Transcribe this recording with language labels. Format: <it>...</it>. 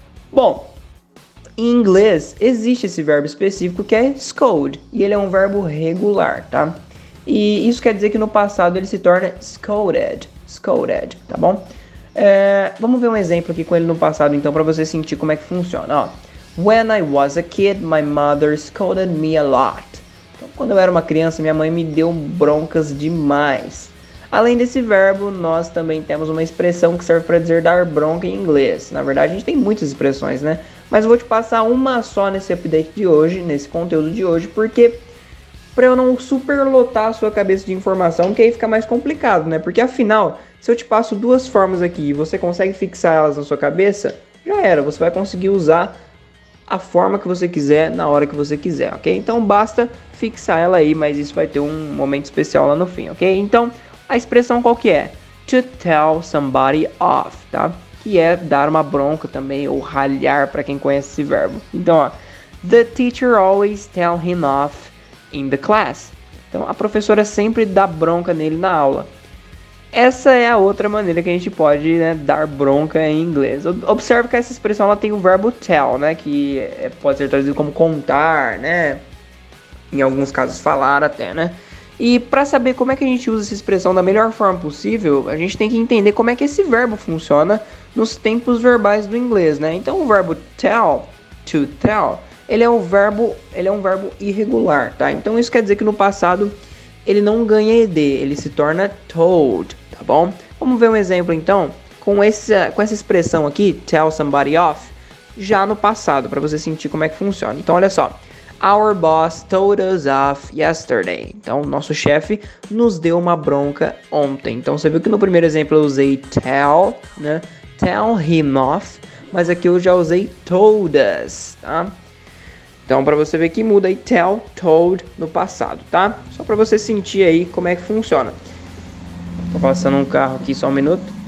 <pt>Bom, em inglês existe esse verbo específico que é scold, e ele é um verbo regular, tá? E isso quer dizer que no passado ele se torna scolded, tá bom? Vamos ver um exemplo aqui com ele no passado, então, pra você sentir como é que funciona, ó.</pt> <en>When I was a kid, my mother scolded me a lot.</en> <pt>Então, quando eu era uma criança, minha mãe me deu broncas demais. Além desse verbo, nós também temos uma expressão que serve para dizer dar bronca em inglês. Na verdade, a gente tem muitas expressões, né? Mas eu vou te passar uma só nesse update de hoje, nesse conteúdo de hoje, porque para eu não superlotar a sua cabeça de informação, que aí fica mais complicado, né? Porque afinal, se eu te passo duas formas aqui e você consegue fixar elas na sua cabeça, já era, você vai conseguir usar a forma que você quiser, na hora que você quiser, ok? Então basta fixar ela aí, mas isso vai ter um momento especial lá no fim, ok? Então, a expressão qual que é?</pt> <en>To tell somebody off,</en> <pt>tá? Que é dar uma bronca também, ou ralhar, pra quem conhece esse verbo. Então, ó,</pt> <en>the teacher always tell him off in the class.</en> <pt>Então, a professora sempre dá bronca nele na aula. Essa é a outra maneira que a gente pode, né, dar bronca em inglês. Observe que essa expressão ela tem o verbo tell, né, que pode ser traduzido como contar, né, em alguns casos falar até, né. E para saber como é que a gente usa essa expressão da melhor forma possível, a gente tem que entender como é que esse verbo funciona nos tempos verbais do inglês, né. Então o verbo tell, to tell, ele é um verbo irregular, tá. Então isso quer dizer que no passado ele não ganha ED, ele se torna told, tá bom? Vamos ver um exemplo, então, com essa expressão aqui, tell somebody off, já no passado, pra você sentir como é que funciona. Então, olha só.</pt> <en>Our boss told us off yesterday.</en> <pt>Então, nosso chefe nos deu uma bronca ontem. Então, você viu que no primeiro exemplo eu usei tell, né?</pt> <en>Tell him off,</en> <pt>mas aqui eu já usei told us, tá? Então, para você ver que muda aí, tell, told, no passado, tá? Só para você sentir aí como é que funciona. Tô passando um carro aqui, só um minuto.</pt>